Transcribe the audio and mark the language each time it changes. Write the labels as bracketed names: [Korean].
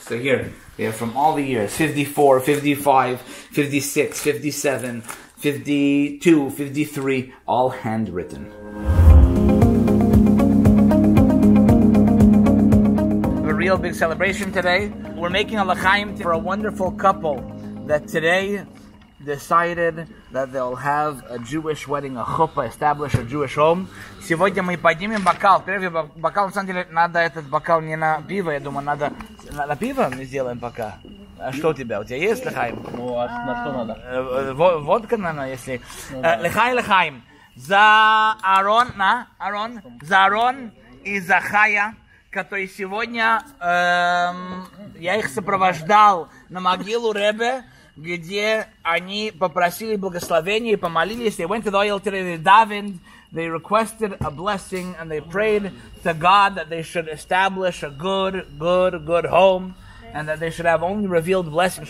[English] So here, we have from all the years, 54, 55, 56, 57, 52, 53, all handwritten. We have a real big celebration today. We're making a l'chaim for a wonderful couple that today decided that they'll have a Jewish wedding, a chuppah, establish a Jewish home. [Russian] Сегодня мы поднимем бокал. Первый бокал, на самом деле, надо этот бокал не на пиво, я думаю, надо... На пиво мы сделаем пока. А что у тебя? У тебя есть лехаим? Ну, а на что надо? Водка, наверное, если... Лехай, лехаим. За Арон, на, Арон. За Арон и за Хая, которые сегодня... Я их сопровождал на могилу Ребе, где они попросили благословения и помолились. [English] They went to the oil today, they davened, they requested a blessing, and they prayed to God that they should establish a good, good, good home, and that they should have only revealed blessings.